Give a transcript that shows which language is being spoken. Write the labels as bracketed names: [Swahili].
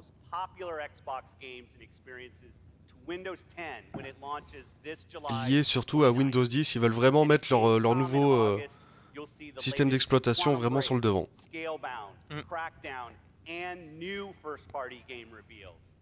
[English] Popular Xbox games and experiences to Windows 10 when it launches this July. [French] Lié surtout à Windows 10, ils veulent vraiment mettre leur nouveau système d'exploitation vraiment sur le devant. [English] Scalebound, Crackdown and new first party game reveals.